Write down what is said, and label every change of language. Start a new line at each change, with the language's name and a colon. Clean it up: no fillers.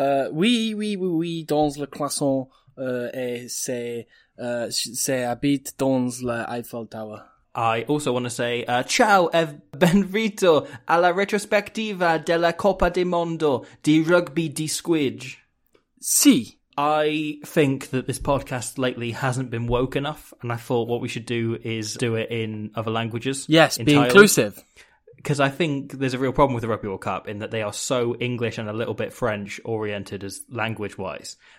French: Oui, dans le croissant, et c'est habite dans l'Eiffel Tower.
English: I also want to say,
Italian: ciao e benvenuto alla retrospectiva della Coppa del Mondo di rugby di squidge. Si.
English: I think that this podcast lately hasn't been woke enough, and I thought what we should do is do it in other languages. Yes, entirely. Be inclusive. Because I think there's a real problem with the Rugby World Cup in that they are so English and a little bit French oriented as language wise.